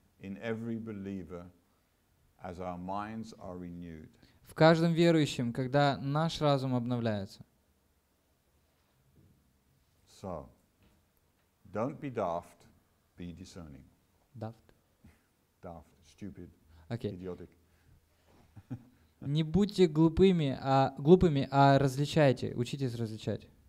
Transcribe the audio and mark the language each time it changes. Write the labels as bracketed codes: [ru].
[en] in every believer as our minds are renewed. [ru] В каждом верующем, когда наш разум обновляется. [en] So, don't be daft, be discerning. Daft? Daft, stupid, okay. Idiotic. [ru] Не будьте глупыми, а глупыми, а различайте, учитесь различать.